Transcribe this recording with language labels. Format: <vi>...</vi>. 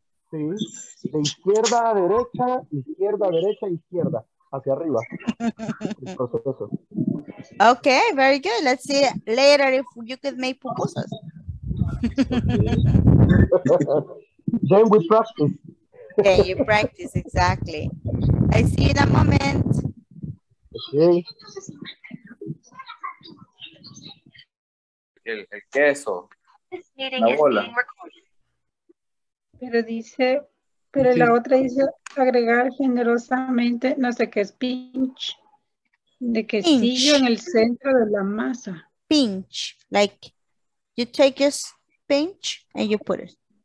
<es>De izquierda a derecha, izquierda a derecha, izquierda hacia arriba. El proceso.</es> <en>Okay, very good. Let's see later if you could make pupusas. Then we practice. Okay, you practice, exactly. I see you in a moment. Okay.</en> <es>El queso.</es> <en>This meeting is being recorded.</en> <es>Pero dice, pero sí. La otra dice agregar generosamente, no sé qué es, pinch. De quesillo en el centro de la masa.</es> <en>Pinch, like you take your pinch and you put it.</en>